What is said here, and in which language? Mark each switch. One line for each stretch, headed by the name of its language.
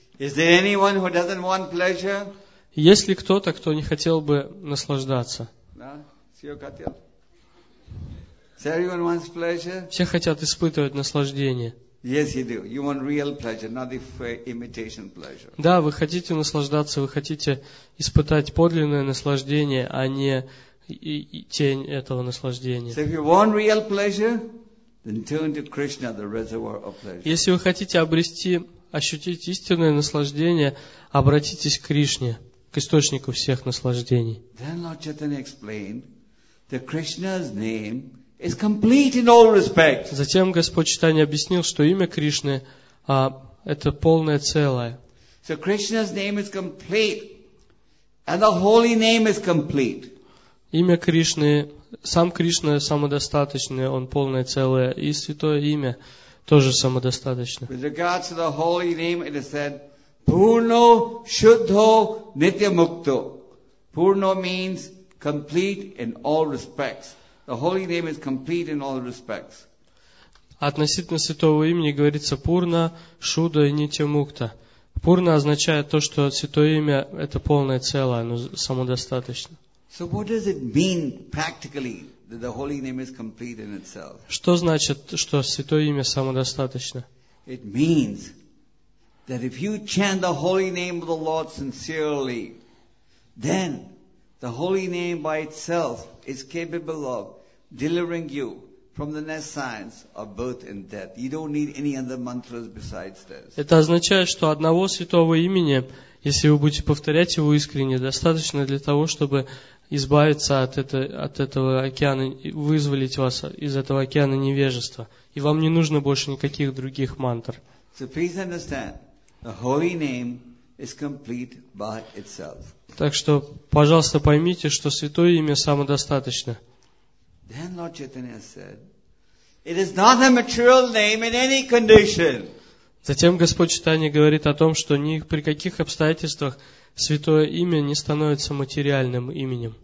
English: Is there anyone who doesn't want pleasure?
Russian: Есть ли кто-то, кто не хотел бы наслаждаться? Да? Все хотят испытывать наслаждение.
English: Yes, you do. You want real pleasure, not the imitation pleasure.
Russian: Да, вы хотите наслаждаться, вы хотите испытать подлинное наслаждение, а не тень этого наслаждения.
English: So if you want real pleasure, then turn to Krishna, the reservoir of pleasure.
Russian: Если вы хотите обрести, ощутить истинное наслаждение, обратитесь к Кришне, к источнику всех наслаждений.
English: Then Lord Chaitanya explained that Krishna's name is complete in all respects.
Russian: Затем Господь Читания объяснил, что имя Кришны это полное целое.
English: So Krishna's name is complete, and the holy name is complete.
Russian: Имя Кришны, сам Кришна самодостаточный, он полное целое, и святое имя тоже самодостаточно.
English: With regard to the holy name, it is said,
Sanskrit: Purno Shuddho Nitya Mukto.
English: Purno means complete in all respects. The holy name is complete in all respects.
Russian: Относительно святого имени говорится
Sanskrit: Пурна, Шуда и Нитямукта.
Russian: Пурна означает то, что святое имя это полное целое, оно самодостаточно.
English: So what does it mean practically that the holy name is complete in itself?
Russian: Что значит, что святое имя самодостаточно?
English: It means that if you chant the holy name of the Lord sincerely, then the holy name by itself is capable of delivering you from the nescience of birth and death. You don't need any other mantras besides this.
Russian: Это означает, что одного святого имени, если вы будете повторять его искренне, достаточно для того, чтобы избавиться от этого океана, вызволить вас из этого океана невежества. И вам не нужно больше никаких других мантр.
English: So please understand, the holy name is complete by itself.
Russian: Так что, пожалуйста, поймите, что святое имя самодостаточно.
English: Then Lord Chaitanya said, it is not a material name in any condition.
Russian: Затем Господь Читания говорит о том, что ни при каких обстоятельствах святое имя не становится материальным именем.